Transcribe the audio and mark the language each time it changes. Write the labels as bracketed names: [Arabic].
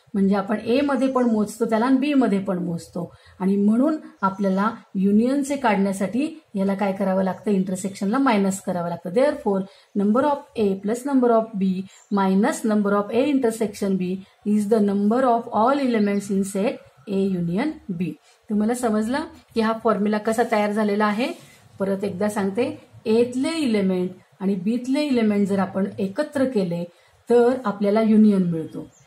[Marathi] म्हणजे आपण ए मध्ये पण मोजतो त्याला आणि बी मध्ये पण मोजतो. आणि म्हणून आपल्याला युनियनचे काढण्यासाठी याला काय करावं लागतं? इंटरसेक्शनला मायनस करावं लागतं. [English] Therefore number of A plus number of B minus number of A intersection B is the number of all elements in set A union B. [Marathi] तुम्हाला समजलं की हा फॉर्म्युला कसा तयार झालेला आहे? परत एकदा सांगते, एतले इलेमेंट आणि बीतले इलेमेंट जर आपण एकत्र केले तर आपल्याला युनियन मिळतो.